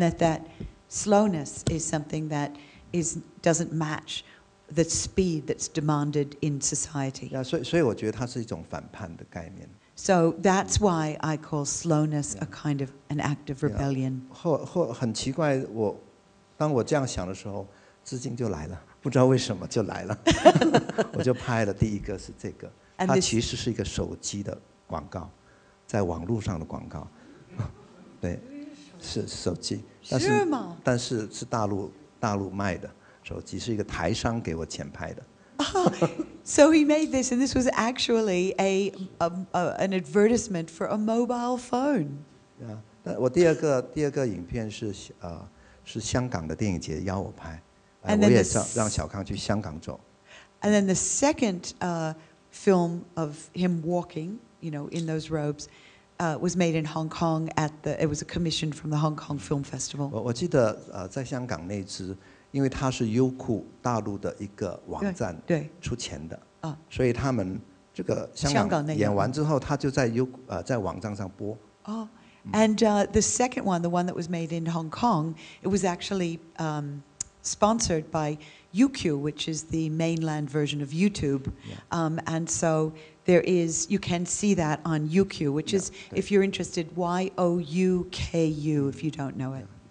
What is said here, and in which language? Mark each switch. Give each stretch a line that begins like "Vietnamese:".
English: that slowness is something that doesn't match the speed that's demanded in society.
Chinese: 所以我觉得它是一种反叛的概念。
English: So that's why I call slowness a kind of an act of rebellion.
Chinese: 很奇怪，我当我这样想的时候，资金就来了，不知道为什么就来了，我就拍了第一个是这个。它其实是一个手机的广告，在网络上的广告。对，是手机，但是大陆卖的手机，是一个台商给我钱拍的。
English: So he made this, and this was actually an advertisement for a mobile phone. Yeah,
Chinese: 我第二个影片是香港的电影节邀我拍，
English: and
Chinese: 我也让小康去香港走。
English: And then the second film of him walking you know, in those robes, was made in Hong Kong at the, it was a commission from the Hong Kong Film Festival.
Chinese: 我记得, 在香港那支, 因为它是优酷大陆的一个网站, 对，出钱的, 所以他们, 这个香港演完之后, 它就在优酷, 在网站上播。
English: Oh, and the second one, the one that was made in Hong Kong, it was actually sponsored by UQ, which is the mainland version of YouTube. Yeah. And so there is, you can see that on UQ, which is, if you're interested, Y-O-U-K-U, if you don't know it.